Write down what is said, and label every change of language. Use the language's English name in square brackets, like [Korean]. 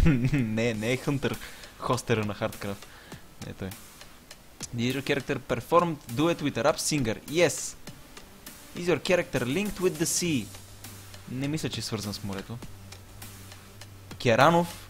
[Bulgarian] Не, не е Хънтър, хостера на Hardcraft. Не е той. [English] Did your character perform duet with a rap singer? Yes. Is your character linked with the sea? [Bulgarian] Не мисля, че е свързан с морето. Керанов?